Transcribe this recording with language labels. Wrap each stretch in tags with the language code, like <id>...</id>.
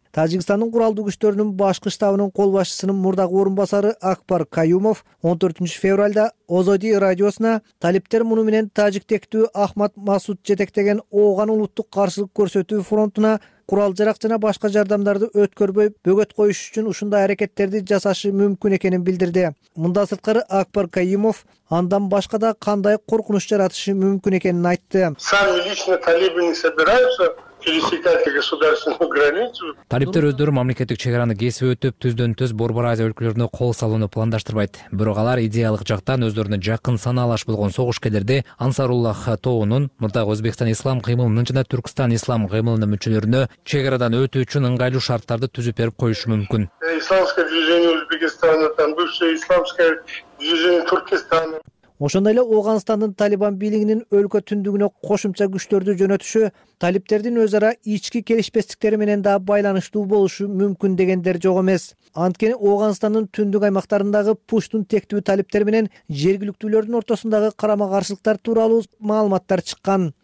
<ky>Тажикстандын куралдуу күчтөрүнүн башкы штабынын колбашчысынын мурдагы орун басары Акбар Каюмов 14-февралда Озоди радиосуна талиптер муну менен тажик тектүү Ахмат Масуд жетектеген ооган улуттук каршылык көрсөтүү фронтуна курал жарак жана башка жардамдарды өткөрбөй бөгөт коюш үчүн ушундай аракеттерди жасашы мүмкүн экенин билдирди. Мындан сырткары Акбар Каюмов андан башка да кандай коркунуч жаратышы мүмкүн экенин айтты.</ky> <ru>Сами лично талибы не собираются пересекать государственную границу.</ru> <ky>Талиптер өздөрү мамлекеттик чек араны кесип өтүп, түздөн түз Борбор Азия өлкөлөрүнө кол салууну пландаштырбайт. Бирок алар идеялык жактан өздөрүнө жакын саналаш болгон согушкерлерди Ансаруллах тоонун мурдагы Өзбекстан ислам кыймылынын жана Түркстан ислам кыймылынын мүчөлөрүнө чек арадан өтүү үчүн ыңгайлуу шарттарды түзүп берип коюшу мүмкүн.</ky> <ru>Исламское движение Узбекистана, там бывшее исламское движение Туркестана.</ru> <ky>Ошондой эле Ооганстандын Талибан бийлигинин өлкө түндүгүнө кошумча күчтөрдү жөнөтүшү талиптердин өз ара ички келишпестиктери менен да байланыштуу болушу мүмкүн дегендер жок эмес. Анткени Ооганстандын түндүк аймактарындагы пуштун тектүү талиптер менен жергиликтүүлөрдүн ортосундагы карама каршылыктар тууралуу маалыматтар чыккан.</ky>